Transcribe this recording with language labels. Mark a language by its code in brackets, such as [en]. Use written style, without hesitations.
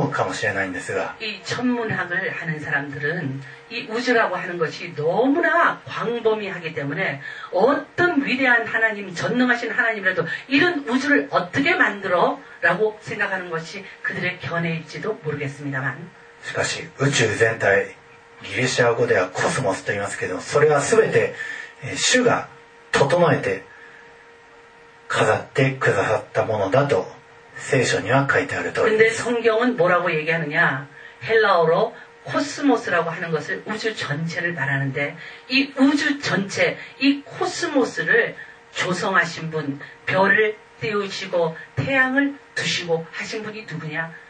[ja] 偉大な神様でもここまで偉大なスケールのものは作れないと思うかもしれないんですが、 [ko] 이천문학을 하는 사람들은 이 우주라고 하는 것이 너무나 광범위하기 때문에 어떤 위대한 하나님, 전능하신 하나님이라도 이런 우주를 어떻게 만들어? 라고 생각하는 것이 그들의 견해일지도 모르겠습니다만 [ja] しかし [ko] 우주 전체, [ja] ギリシャ語ではコスモスと言いますけど、それはすべて主が整えて 飾ってくださったものだと聖書には書いてある通りです。で、 [ko] 성경은 뭐라고 얘기하느냐? 헬라어로 코스모스라고 하는 것을 우주 전체를 말하는데 이 우주 전체, 이 코스모스를 조성하신 분, 별을 띄우시고 태양을 두시고 하신 분이 누구냐?